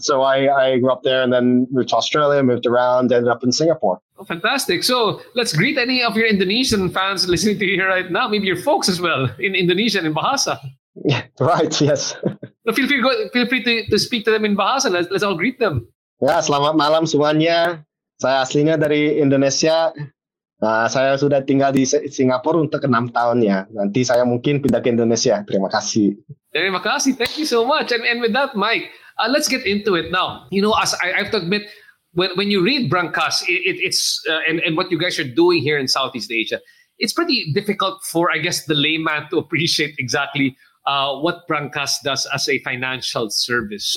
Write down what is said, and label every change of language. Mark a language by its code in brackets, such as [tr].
[en] So I grew up there and then moved to Australia, moved around, ended up in Singapore. Oh, fantastic. So let's greet any of your Indonesian fans listening to you right now. Maybe your folks as well in Indonesian, in Bahasa. Yeah, right, yes. So feel free to speak to them in Bahasa. Let's all greet them. [id] Ya, selamat malam semuanya. Saya aslinya dari Indonesia. Saya sudah tinggal di Singapura untuk 6 tahun ya. Nanti saya mungkin pindah ke Indonesia. Terima kasih. Terima kasih. [en] Thank you so much. And with that, Mike, let's get into it now. You know, as I have to admit, when you read Brankas, it's what you guys are doing here in Southeast Asia, it's pretty difficult for, I guess, the layman to appreciate exactly what Brankas does as a financial service.